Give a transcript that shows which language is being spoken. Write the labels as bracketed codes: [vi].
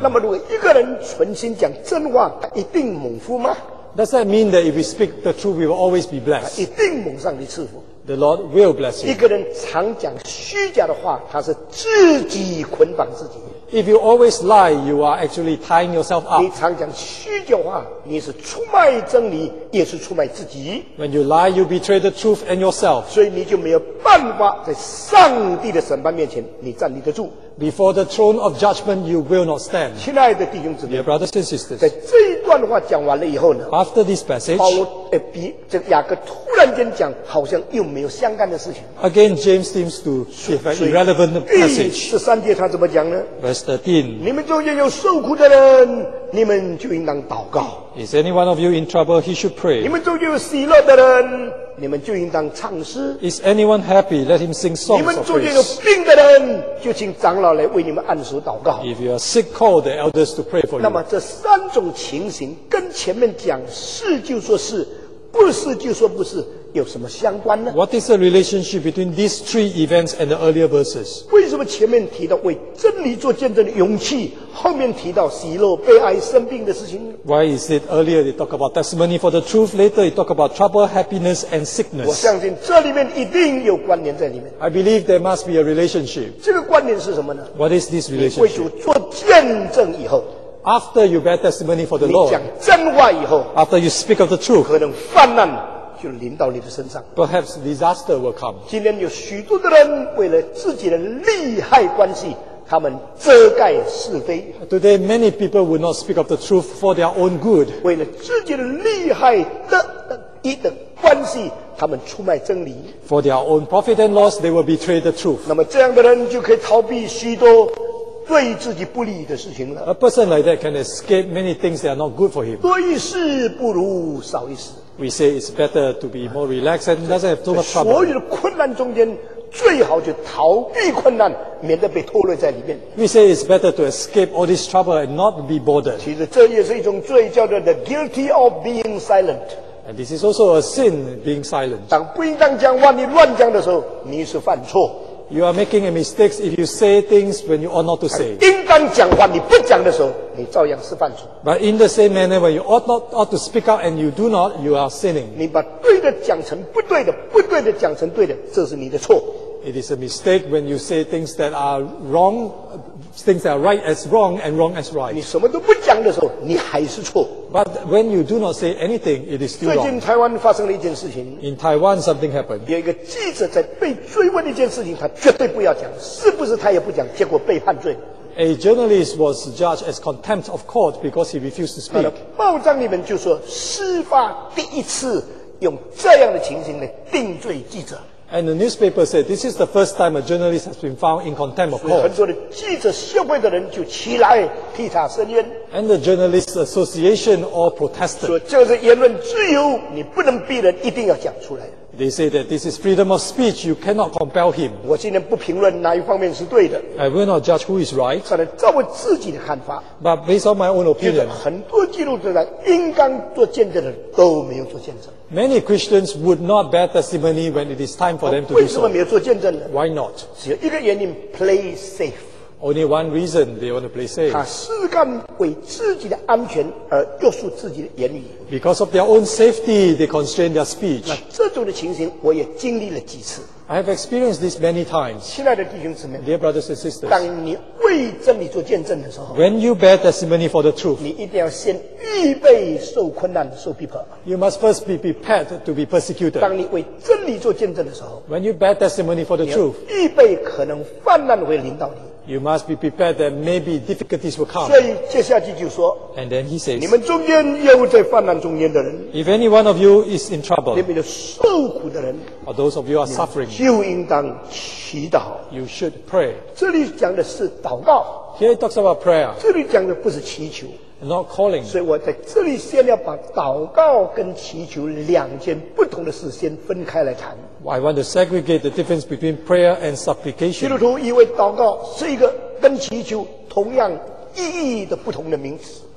[zh] 那么如果一个人存心讲真话，他一定蒙福吗？ [en] Does that mean that if we speak the truth, we will always be blessed? [zh] 他一定蒙上帝赐福。 [en] The Lord will bless you. [zh] 一个人常讲虚假的话，他是自己捆绑自己。 [en] If you always lie, you are actually tying yourself up. [zh] 你常讲虚假话，你是出卖真理，也是出卖自己。 [en] When you lie, you betray the truth and yourself. [zh] 所以你就没有办法在上帝的审判面前，你站立得住。 [en] Before the throne of judgment, you will not stand. [zh] 亲爱的弟兄姊妹 [en] Dear brothers and sisters, [zh] 在这一段话讲完了以后呢 [en] After this passage, [zh] 保罗比这雅各突然间讲好像又没有相干的事情 [en] Again, James seems to give an irrelevant passage. [zh] 第十三节他怎么讲呢 [en] Verse 13, [zh] 你们中间有受苦的人，你们就应当祷告。 [en] Is any one of you in trouble? He should pray. [zh] 你们中间有喜乐的人，你们就应当唱诗。 [en] Is anyone happy? Let him sing songs of praise. [zh] 你们中间有病的人，就请长老来为你们按手祷告。 [en] If you are sick, call the elders to pray for you. [zh] 那么这三种情形跟前面讲是就说是，不是就说不是，有什么相关呢？ [en] What is the relationship between these three events and the earlier verses? [zh] 为什么前面提到为真理做见证的勇气，后面提到喜乐、悲哀、生病的事情？ [en] Why is it earlier they talk about testimony for the truth, later they talk about trouble, happiness and sickness? [zh] 我相信这里面一定有关联在里面。 [en] I believe there must be a relationship. [zh] 这个关联是什么呢？ [en] What is this relationship? [zh] 为主做见证以后， [en] After you bear testimony for the Lord, [zh] 你讲真话以后 [en] After you speak of the truth, [zh] 可能患难就临到你的身上 [en] Perhaps disaster will come. [zh] 今天有许多的人为了自己的利害关系，他们遮盖是非 [en] Today many people will not speak of the truth for their own good. [zh] 为了自己的利害的一等关系，他们出卖真理 [en] For their own profit and loss, they will betray the truth. [zh] 那么这样的人就可以逃避许多对自己不利的事情了。 [en] A person like that can escape many things that are not good for him. [zh] 多一事不如少一事。 [en] We say it's better to be more relaxed and doesn't have too much trouble. [zh] 所有的困难中间，最好就逃避困难，免得被拖累在里面。 [en] We say it's better to escape all this trouble and not be bothered. [zh] 其实这也是一种罪，叫做 [en] the guilty of being silent. And this is also a sin, being silent. [zh] 当不应当讲话，你乱讲的时候，你是犯错。 [en] You are making a mistake if you say things when you ought not to say. [zh] 应当讲话，你不讲的时候，你照样是犯错。 [en] But in the same manner, when you ought not to speak out and you do not, you are sinning. [zh] 你把对的讲成不对的，不对的讲成对的，这是你的错。 [en] It is a mistake when you say things that are wrong, things that are right as wrong and wrong as right. [zh] 你什么都不讲的时候，你还是错。 [en] But when you do not say anything, it is still wrong. [zh] 最近台湾发生了一件事情。 [en] In Taiwan, something happened. [zh] 有一个记者在被追问一件事情，他绝对不要讲，是不是他也不讲，结果被判罪。 [en] A journalist was judged as contempt of court because he refused to speak. [zh] 报章里面就说，事发第一次用这样的情形来定罪记者。 [en] And the newspaper said, this is the first time a journalist has been found in contempt of court. [zh] 很多的记者协会的人就起来替他伸冤。 [en] And the journalist association all protested. [zh] 说这是言论自由，你不能逼人一定要讲出来。 [en] They say that this is freedom of speech, you cannot compel him. [zh] 我今天不评论哪一方面是对的。 [en] I will not judge who is right. [zh] 可能照我自己的看法。 [en] But based on my own opinion. [zh] 很多记录的人应当做见证的人都没有做见证。 [en] Many Christians would not bear testimony when it is time for them to do so. [zh] 为什么没有做见证呢？ [en] Why not? [zh] 只有一个原因， [en] play safe. Only one reason they want to play safe. [zh] 他试干为自己的安全而约束自己的言语。 [en] Because of their own safety, they constrain their speech. [zh] 那这种的情形我也经历了几次。 [en] I have experienced this many times. [zh] 亲爱的弟兄姊妹， [en] Dear brothers and sisters, [zh] 当你为真理做见证的时候， [en] When you bear testimony for the truth, [zh] 你一定要先预备受困难，受逼迫。 [en] You must first be prepared to be persecuted. [zh] 当你为真理做见证的时候， [en] When you bear testimony for the truth, [zh] 你要预备可能患难会临到你。 [en] You must be prepared that maybe difficulties will come. [zh] 所以接下去就说 [en] And then he says, [zh] 你们中间有在患难中间的人 [en] If any one of you is in trouble, [zh] 你们的受苦的人 [en] or those of you are suffering, [zh] 就应当祈祷 [en] You should pray. [zh] 这里讲的是祷告 [en] Here it talks about prayer. [zh] 这里讲的不是祈求 [en] Not calling. [zh] 所以我在这里先要把祷告跟祈求两件不同的事先分开来谈 [en] I want to segregate the difference between prayer and supplication. [zh] 基督徒以为祷告是一个跟祈求同样意义的不同的名词。